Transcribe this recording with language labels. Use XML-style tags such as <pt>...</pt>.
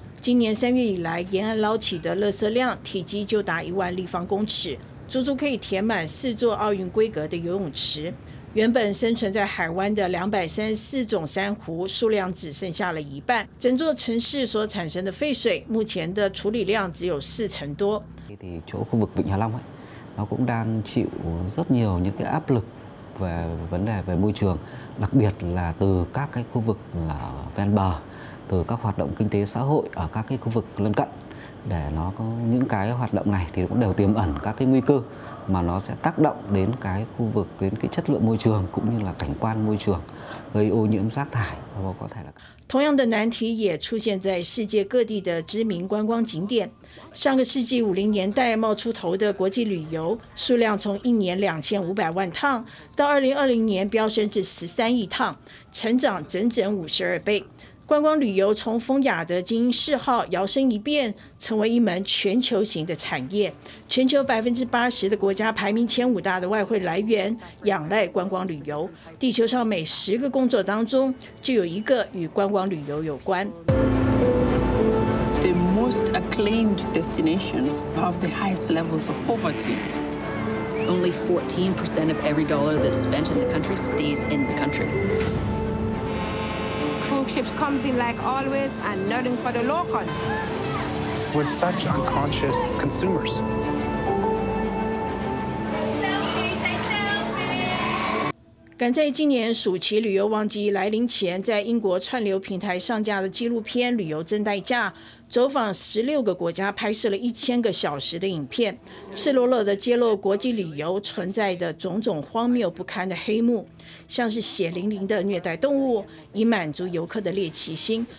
<zh>今年3月以来，沿岸捞起的垃圾量体积就达10000立方公尺，足足可以填满4座奥运规格的游泳池。原本生存在海湾的234种珊瑚数量只剩下了一半，整座城市所产生的废水目前的处理量只有40%多。</zh> <vi>chỗ khu vực vịnh Hạ Long ấy, nó cũng đang chịu rất nhiều những cái áp lực về vấn đề về môi trường, đặc biệt là từ các cái khu vực ven bờ. từ các hoạt động kinh tế xã hội ở các cái khu vực lân cận để nó có những cái hoạt động này thì cũng đều tiềm ẩn các cái nguy cơ mà nó sẽ tác động đến cái khu vực đến cái chất lượng môi trường cũng như là cảnh quan môi trường gây ô nhiễm rác thải và có thể là</vi> <zh>同样的难题也出现在世界各地的知名观光景点。上个世纪50年代冒出头的国际旅游数量从1年2500万趟到2020年飙升至13亿趟，成长整整52倍。观光旅游从风雅的精英嗜好摇身一变成为一门全球型的产业，全球80%的国家排名前5大的外汇来源仰赖观光旅游，地球上每10个工作当中就有一个与观光旅游有关。</zh> <en>The most acclaimed destinations have the highest levels of poverty. Only 14% of every dollar that's spent in the country stays in the country. Ships comes in like always and nothing for the locals. We're such unconscious consumers.</en> <zh>赶在今年暑期旅游旺季来临前，在英国串流平台上架的纪录片《旅游真代价》，走访16个国家，拍摄了1000个小时的影片，赤裸裸地揭露国际旅游存在的种种荒谬不堪的黑幕，像是血淋淋的虐待动物，以满足游客的猎奇心。</zh>